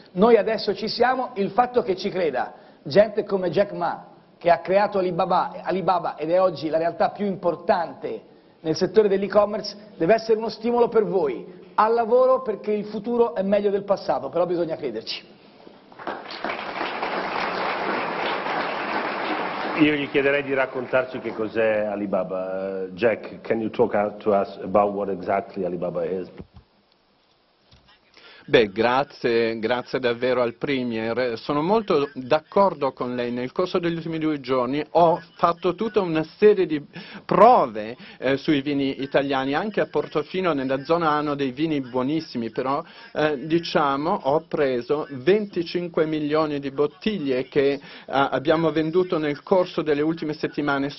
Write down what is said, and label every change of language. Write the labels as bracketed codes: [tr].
[it] Noi adesso ci siamo, il fatto che ci creda gente come Jack Ma, che ha creato Alibaba ed è oggi la realtà più importante nel settore dell'e-commerce, deve essere uno stimolo per voi al lavoro, perché il futuro è meglio del passato, però bisogna crederci. Io gli chiederei di raccontarci che cos'è Alibaba. [en] Jack, can you talk to us about what exactly Alibaba is? [it] Beh, grazie davvero al Premier. Sono molto d'accordo con lei. Nel corso degli ultimi 2 giorni ho fatto tutta una serie di prove sui vini italiani, anche a Portofino, nella zona hanno dei vini buonissimi, però diciamo ho preso 25 milioni di bottiglie che abbiamo venduto nel corso delle ultime settimane.